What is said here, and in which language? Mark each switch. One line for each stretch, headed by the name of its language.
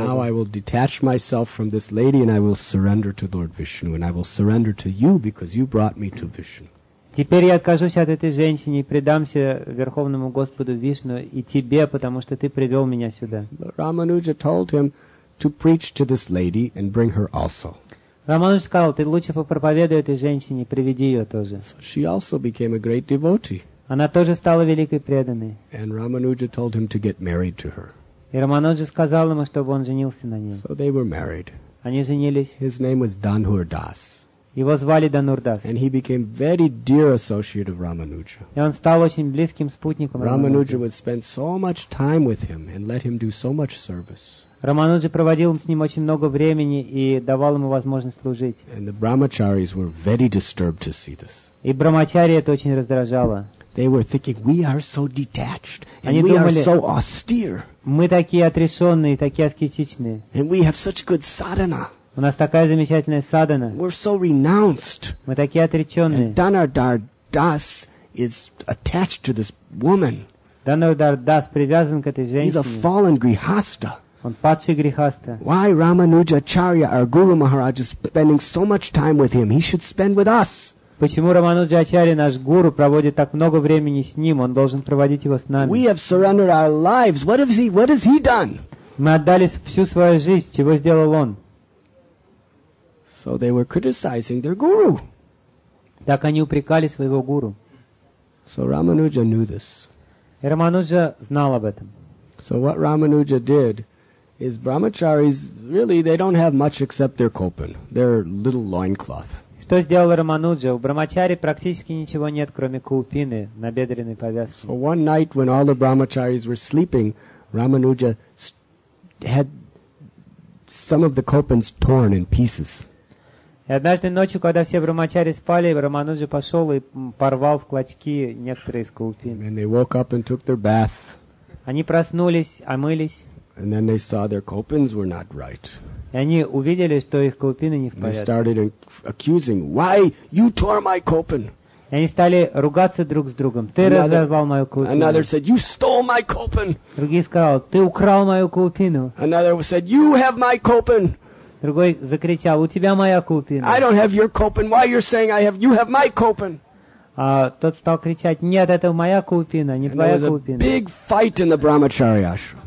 English: Now I will detach myself from this lady and I will surrender to Lord Vishnu and I will surrender to you because you brought me to Vishnu.
Russian: Теперь я откажусь от этой женщины и предамся Верховному Господу Вишну и тебе, потому что ты привел меня сюда.
English: Рамануджа told him to preach to this lady and bring her also.
Russian: Рамануджа сказал, ты лучше попроповедуй этой женщине, приведи ее тоже.
English: So she also became a great devotee.
Russian: Она тоже стала великой преданной.
English: And Рамануджа told him to get married to her.
Russian: И Рамануджа сказал ему, чтобы он женился на ней.
English: So they were married.
Russian: Они женились.
English: His name was Dhanur Das.
Russian: Его звали Dhanur Das.
English: And he became very dear associate of Ramanuja.
Russian: И он стал очень близким спутником Рамануджи.
English: Ramanuja would spend so much time with him and let him do so much service.
Russian: Рамануджа проводил с ним очень много времени и давал ему возможность служить.
English: And the brahmacharis were very disturbed to see this.
Russian: И брахмачари это очень раздражало.
English: They were thinking, we are so detached and we are so austere.
Russian: Мы такие отрешенные, такие аскетичные.
English: And we have such good sadhana.
Russian: У нас такая замечательная садхана.
English: We're so renounced.
Russian: Мы такие отреченные.
English: And Dhanur Das is attached to this woman.
Russian: Dhanur Das привязан к этой женщине.
English: He's a fallen grihastha.
Russian: Он падший грехаста.
English: Why Рамануджачарья, our Guru Maharaj, is spending so much time with him? He should spend with us.
Russian: Почему Рамануджачарья, наш гуру, проводит так много времени с ним? Он должен проводить его с нами.
English: We have surrendered our lives. What has he done?
Russian: Мы отдали всю свою жизнь. Чего сделал он?
English: So they were criticizing their guru.
Russian: Так они упрекали своего гуру.
English: So Рамануджа knew this.
Russian: И Рамануджа знал об этом.
English: So what Рамануджа did is brahmacharis, really, they don't have much except their kopan, their little loincloth.
Russian: Что сделал Рамануджа? У брахмачари практически ничего нет, кроме купины, набедренной повязки.
English: So one night, when all the brahmacharis were sleeping, Рамануджа had some of the kopans torn in pieces.
Russian: И однажды ночью, когда все брахмачари спали, Рамануджа пошел и порвал в клочки некоторые из купин.
English: And they woke up and took their bath.
Russian: Они проснулись, омылись.
English: And then they saw their kopans were not right.
Russian: И они увидели, что их купины не в порядке.
English: They started accusing, "Why you tore my kopan?"
Russian: И они стали ругаться друг с другом. Ты разорвал мою купину.
English: Another said, "You stole my kopan."
Russian: Другой сказал, "Ты украл мою купину."
English: Another said, "You have my kopan."
Russian: Другой закричал, "У тебя моя купина."
English: I don't have your kopan. Why you're saying I have? You have my kopan.
Russian: А тот стал кричать, "Нет, это моя купина, не твоя купина."
English: And there was a big fight in the brahmachari ashram.